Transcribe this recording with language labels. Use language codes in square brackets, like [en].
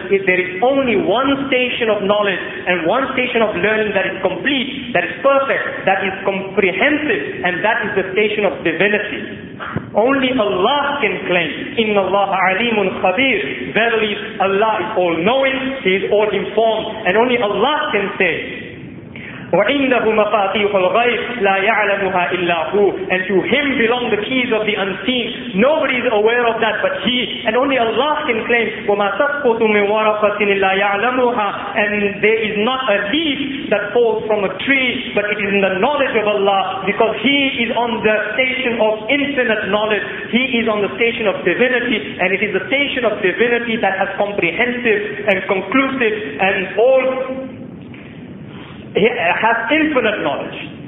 [en] If there is only one station of knowledge and one station of learning that is complete, that is perfect, that is comprehensive, and that is the station of divinity. Only Allah can claim, [ar] إِنَّ اللَّهَ عَلِيمٌ خَبِيرٌ, [en] verily Allah is all-knowing, He is all-informed, and only Allah can say, [ar] وعنده مفاتيح الغيب لا يعلمها إلا هو. [en] And to him belong the keys of the unseen. Nobody is aware of that but he. And only Allah can claim [ar] وما تسقط من ورقة إلا يعلمها. [en] And there is not a leaf that falls from a tree but it is in the knowledge of Allah, because he is on the station of infinite knowledge. He is on the station of divinity, and it is the station of divinity that has comprehensive and conclusive and all, he has infinite knowledge.